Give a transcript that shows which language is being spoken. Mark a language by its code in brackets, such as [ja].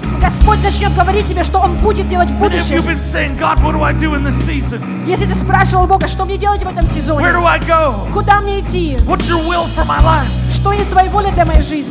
[ru] Господь начнет говорить тебе, что Он будет делать в будущем. [en] And if you've been saying, God, what do I do in this season? [ru] Если ты спрашивал Бога, что мне делать в этом сезоне? [en] Where do I go? [ru] Куда мне идти? [en] What's your will for my life? [ru] Что есть твоя воля для моей жизни?